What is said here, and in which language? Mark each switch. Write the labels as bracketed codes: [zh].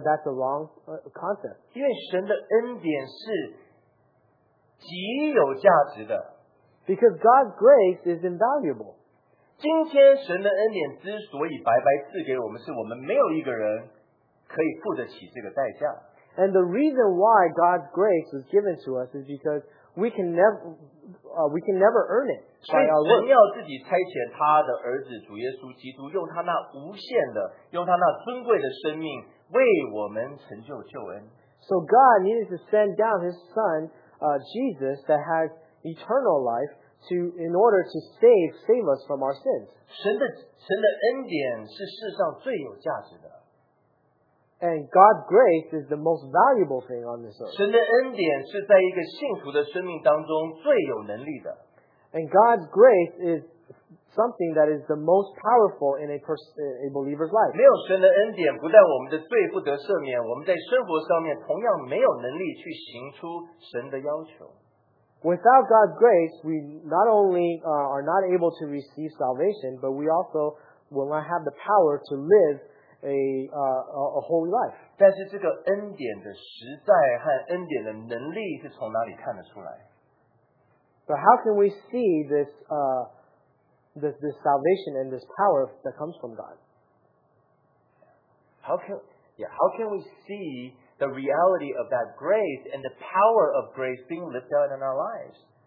[en] that's a wrong concept. [zh] 因为神的恩典是极有价值的。Because [en] God's grace is invaluable. [zh] 今天神的恩典之所以白白赐给我们，是我们没有一个人可以付得起这个代价。 [en] And the reason why God's grace was given to us is because we can never earn it by our work. So God needed to send down His Son, Jesus, that has eternal life in order to save us from our sins. [zh] 神的恩典是世上最有价值的。 [en] And God's grace is the most valuable thing on this earth. [zh] 神的恩典是在一个幸福的生命当中最有能力的。 [en] And God's grace is something that is the most powerful in a believer's life. [zh] 没有神的恩典，不但我们的罪不得赦免，我们在生活上面同样没有能力去行出神的要求。 [en] Without God's grace, we not only are not able to receive salvation, but we also will not have the power to live a holy life. [zh] 但是这个恩典的实在和恩典的能力是从哪里看得出来？ [en] But how can we see this salvation and this power that comes from God? How can we see the reality of that grace and the power of grace being lived out in our lives?